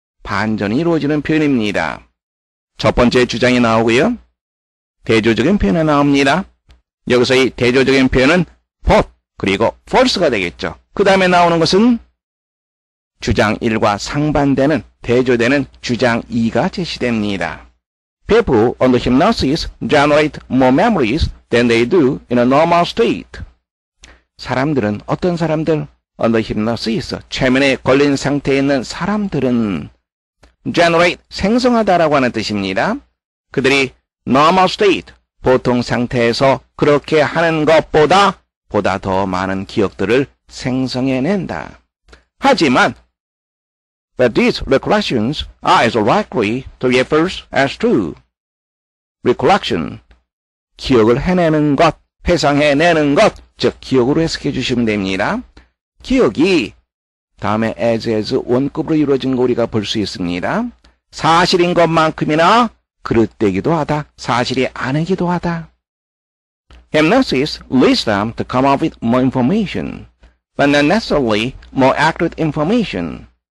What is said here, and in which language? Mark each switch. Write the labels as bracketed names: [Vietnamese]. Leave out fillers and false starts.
[Korean] 반전이 이루어지는 표현입니다. 첫 번째 주장이 나오고요. 대조적인 표현이 나옵니다. 여기서 이 대조적인 표현은 both 그리고 false가 되겠죠. 그 다음에 나오는 것은 주장 1과 상반되는 대조되는 주장 2가 제시됩니다. [English] People under hypnosis generate more memories than they do in a normal state. [Korean] 사람들은 어떤 사람들? [English] Under hypnosis, [Korean] 최면에 걸린 상태에 있는 사람들은 generate, 생성하다라고 하는 뜻입니다. 그들이 normal state, 보통 상태에서 그렇게 하는 것보다 보다 더 많은 기억들을 생성해낸다. 하지만 [English] But these recollections are as likely to be false as true. [Korean] Recollection, 기억을 해내는 것, 회상해내는 것, 즉 기억으로 해석해 주시면 됩니다. 기억이 다음에 as 원급으로 이루어진 거 우리가 볼 수 있습니다. 사실인 것만큼이나 그릇되기도 하다, 사실이 아니기도 하다. [English] Hypnosis leads them to come up with more information, but not necessarily more accurate information.